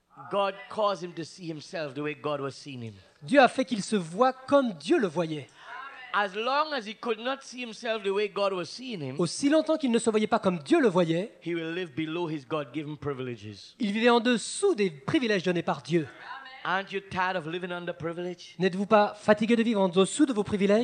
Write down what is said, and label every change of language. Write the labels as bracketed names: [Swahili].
[English] God caused him to see himself the way God was seeing him. [French] Dieu a fait qu'il se voit comme Dieu le voyait. [English] As long as he could not see himself the way God was seeing him. [French] Aussi longtemps qu'il ne se voyait pas comme Dieu le voyait. [English] He will live below his God-given privileges. [French] Il vivait en dessous des privilèges donnés par Dieu. [English] Aren't you tired of living under privilege? [French] N'êtes-vous pas fatigué de vivre en dessous de vos privilèges?